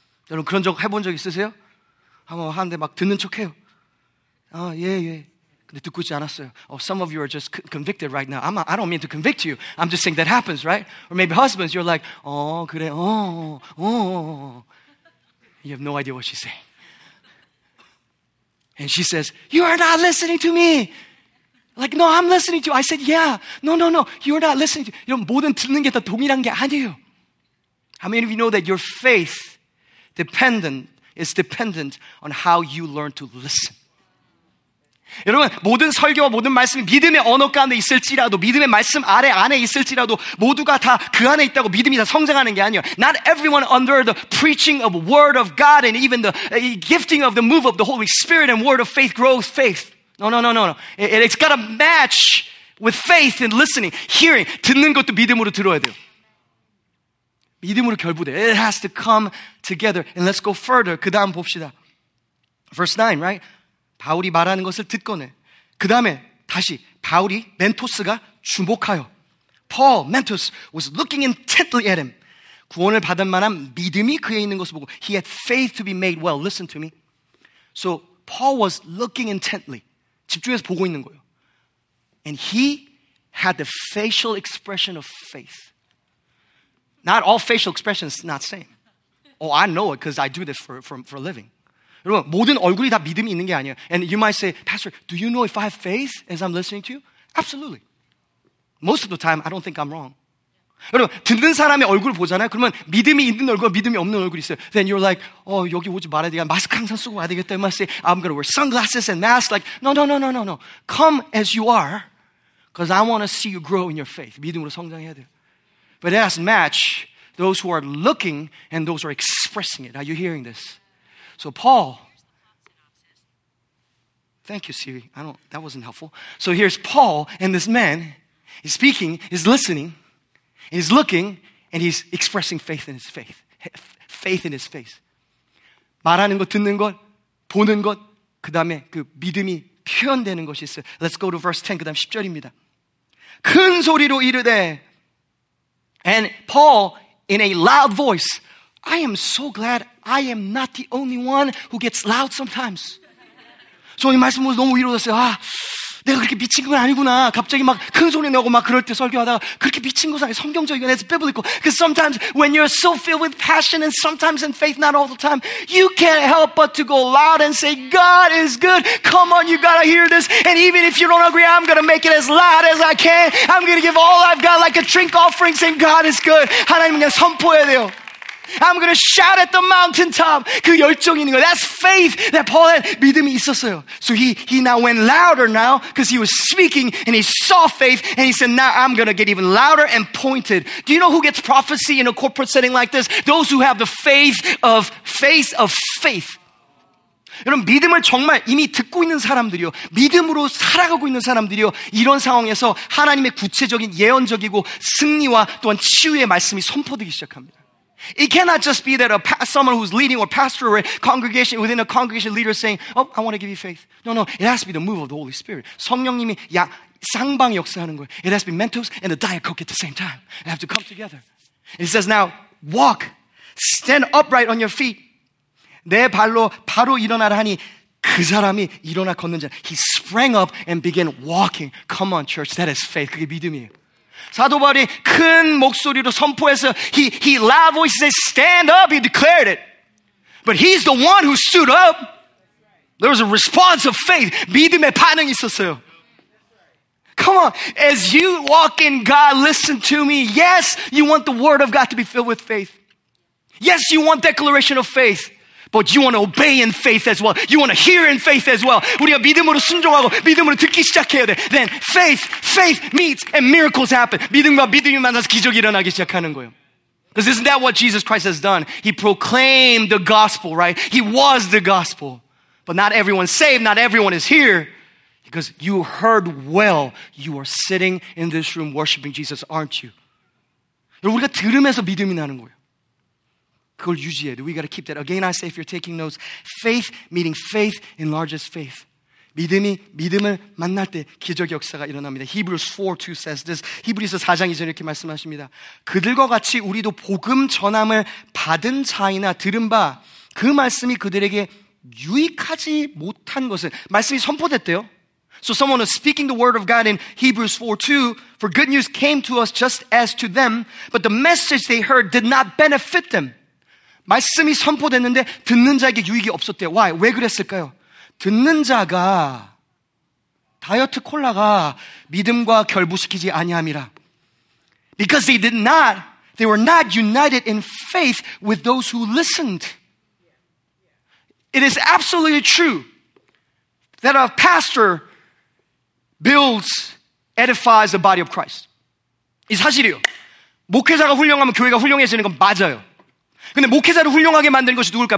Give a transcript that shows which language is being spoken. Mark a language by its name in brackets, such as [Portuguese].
[Korean] 여러분, 그런 적 해본 적 있으세요? 한번 하는데 막 듣는 척해요. 아, 예. 근데 듣고 있지 않았어요. [English] Oh, some of you are just convicted right now. I don't mean to convict you. I'm just saying that happens, right? Or maybe husbands, you're like, [Korean] 그래, [English] You have no idea what she's saying. And she says, you are not listening to me. Like, no, I'm listening to you. I said, yeah. No. You're not listening to me. [Korean] 이런 모든 듣는 게 다 동일한 게 아니에요. [English] How many of you know that your faith is dependent on how you learn to listen? [Korean] 여러분 모든 설교와 모든 말씀이 믿음의 언어 가운데 있을지라도 믿음의 말씀 아래 안에 있을지라도 모두가 다 그 안에 있다고 믿음이 다 성장하는 게 아니에요. [English] Not everyone under the preaching of the word of God and even the gifting of the move of the Holy Spirit and word of faith grows faith. No. It's got to match with faith and listening, hearing. [Korean] 듣는 것도 믿음으로 들어야 돼요. 믿음으로 결부돼. [English] It has to come together. And let's go further. [Korean] 그 다음 봅시다. [English] Verse 9, right? [Korean] 바울이 말하는 것을 듣거늘. 그 다음에 다시 바울이 멘토스가 주목하여. [English] Paul, Mentos, was looking intently at him. [Korean] 구원을 받은 만한 믿음이 그에 있는 것을 보고. [English] He had faith to be made well. Listen to me. So Paul was looking intently. [Korean] 집중해서 보고 있는 거예요. [English] And he had the facial expression of faith. Not all facial expressions not same. Oh, I know it because I do this for a living. [Korean] 여러분, 모든 얼굴이 다 믿음이 있는 게 아니에요. [English] And you might say, Pastor, do you know if I have faith as I'm listening to you? Absolutely. Most of the time, I don't think I'm wrong. [Korean] 여러분, 듣는 사람의 얼굴을 보잖아요. 그러면 믿음이 있는 얼굴과 믿음이 없는 얼굴이 있어요. [English] Then you're like, oh, [Korean] 여기 오지 말아야 되겠다. 마스크 항상 쓰고 와야 되겠다. [English] You might say, I'm going to wear sunglasses and masks. Like, no. Come as you are, because I want to see you grow in your faith. [Korean] 믿음으로 성장해야 돼요. [English] But it has to match those who are looking and those who are expressing it. Are you hearing this? So Paul, thank you, Siri. That wasn't helpful. So here's Paul, and this man is speaking, is listening, is looking, and he's expressing faith in his faith. Faith in his face. [Korean] 말하는 것, 듣는 것, 보는 것, 그 다음에 그 믿음이 표현되는 것이 있어요. [English] Let's go to verse 10, [Korean] 그 다음 10절입니다. 큰 소리로 이르되, [English] and Paul, in a loud voice, I am so glad I am not the only one who gets loud sometimes. [Korean] So 이 말씀 보고 너무 위로됐어요. 아, 내가 그렇게 미친 건 아니구나. 갑자기 막 큰 소리 내고 막 그럴 때 설교하다가 그렇게 미친 것은 아니야. 성경적이고, [English] it's biblical. Because sometimes when you're so filled with passion and sometimes in faith, not all the time, you can't help but to go loud and say, God is good. Come on, you gotta hear this. And even if you don't agree, I'm gonna make it as loud as I can. I'm gonna give all I've got like a drink offering saying, God is good. [Korean] 하나님 그냥 선포해야 돼요. [English] I'm going to shout at the mountaintop. [Korean] 그 열정이 있는 거. [English] That's faith that Paul had. [Korean] 믿음이 있었어요. [English] So he now went louder now because he was speaking and he saw faith and he said, now I'm going to get even louder and pointed. Do you know who gets prophecy in a corporate setting like this? Those who have the faith of faith. [Korean] 여러분, 믿음을 정말 이미 듣고 있는 사람들이요, 믿음으로 살아가고 있는 사람들이요, 이런 상황에서 하나님의 구체적인 예언적이고 승리와 또한 치유의 말씀이 선포되기 시작합니다. [English] It cannot just be that someone who's leading or pastor or a congregation within a congregation leader saying, oh, I want to give you faith. No, it has to be the move of the Holy Spirit. [Korean] 성령님이 쌍방 역사하는 거예요. [English] It has to be Mentos and the Diet Coke at the same time. They have to come together. It says, now walk, stand upright on your feet. [Korean] 내 발로 바로 일어나라 하니 그 사람이 일어나 걷는 자. [English] He sprang up and began walking. Come on, church, that is faith. [Korean] 그게 믿음이에요. 사도 바울이 큰 목소리로 선포해서 [English] he loud voice said, stand up, he declared it. But he's the one who stood up. There was a response of faith. [Korean] 믿음의 반응이 있었어요. [English] Come on, as you walk in God, listen to me. Yes, you want the word of God to be filled with faith. Yes, you want declaration of faith. But you want to obey in faith as well. You want to hear in faith as well. [Korean] 우리가 믿음으로 순종하고 믿음으로 듣기 시작해야 돼. [English] Then faith meets and miracles happen. [Korean] 믿음과 믿음이 만나서 기적이 일어나기 시작하는 거예요. [English] Because isn't that what Jesus Christ has done? He proclaimed the gospel, right? He was the gospel. But not everyone's saved. Not everyone is here. Because you heard well. You are sitting in this room worshiping Jesus, aren't you? [Korean] 우리가 들으면서 믿음이 나는 거예요. 그걸 유지해야 돼. [English] We gotta keep that. Again, I say, if you're taking notes, faith, meaning faith, enlarges faith. [Korean] 믿음이 믿음을 만날 때 기적 역사가 일어납니다. [English] Hebrews 4:2 says this. [Korean] 히브리서 4장 2절 이렇게 말씀하십니다. 그들과 같이 우리도 복음 전함을 받은 자이나 들은 바 그 말씀이 그들에게 유익하지 못한 것은 말씀이 선포됐대요. [English] So someone was speaking the word of God in Hebrews 4:2, for good news came to us just as to them, but the message they heard did not benefit them. [Korean] 말씀이 선포됐는데 듣는 자에게 유익이 없었대요. [English] Why? [Korean] 왜 그랬을까요? 듣는 자가 다이어트 콜라가 믿음과 결부시키지 아니함이라. [English] Because they were not united in faith with those who listened. It is absolutely true that a pastor builds, edifies the body of Christ. [Korean] 이 사실이요. 목회자가 훌륭하면 교회가 훌륭해지는 건 맞아요. 근데 목회자를 훌륭하게 만드는 것이 누굴까?